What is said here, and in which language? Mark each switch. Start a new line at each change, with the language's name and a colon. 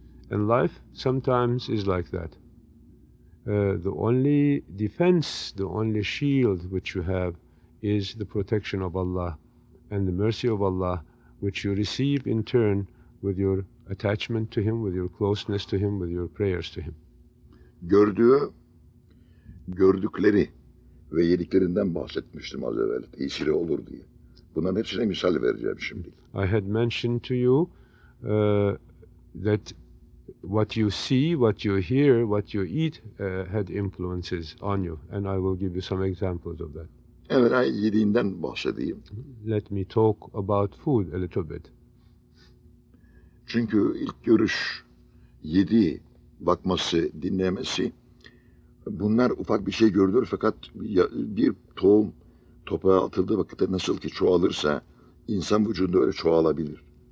English: And life sometimes is like that. The only defense, the only shield which you have is the protection of Allah and the mercy of Allah, which you receive in turn with your attachment to Him, with your closeness to Him, with your prayers to Him.
Turkish: Gördüğü, gördükleri ve yediklerinden bahsetmiştim az evvel, tesiri olur diye. Bunların hepsine misal vereceğim şimdi.
English: I had mentioned to you that what you see, what you hear, what you eat had influences on you. And I will give you some examples of that.
Turkish: Evvela yediğinden bahsedeyim.
English: Let me talk about food a little bit.
Turkish: Çünkü ilk görüş, yedi, bakması, dinlemesi, bunlar ufak bir şey görülür fakat bir tohum toprağa atıldığı vakitte nasıl ki çoğalırsa insan vücudunda öyle çoğalabilir.